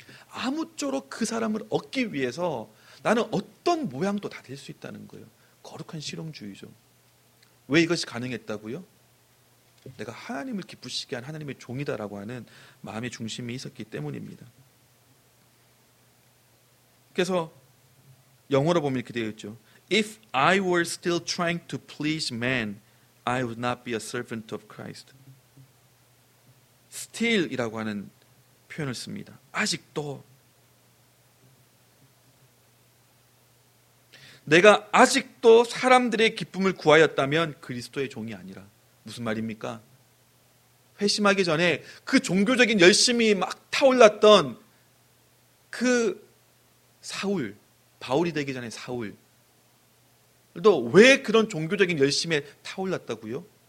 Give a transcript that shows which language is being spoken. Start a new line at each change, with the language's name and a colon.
Korean: 아무쪼록 그 사람을 얻기 위해서 나는 어떤 모양도 다 될 수 있다는 거예요. 거룩한 실용주의죠. 왜 이것이 가능했다고요? 내가 하나님을 기쁘시게 한 하나님의 종이다라고 하는 마음의 중심이 있었기 때문입니다. 그래서 영어로 보면 이렇게 되어 있죠.
English: If I were still trying to please man, I would not be a servant of Christ.
Korean: Still이라고 하는 표현을 씁니다. 아직도 내가 아직도 사람들의 기쁨을 구하였다면 그리스도의 종이 아니라. 무슨 말입니까? 회심하기 전에 그 종교적인 열심이 막 타올랐던 그 사울, 바울이 되기 전에 사울도 왜 그런 종교적인 열심에 타올랐다고요?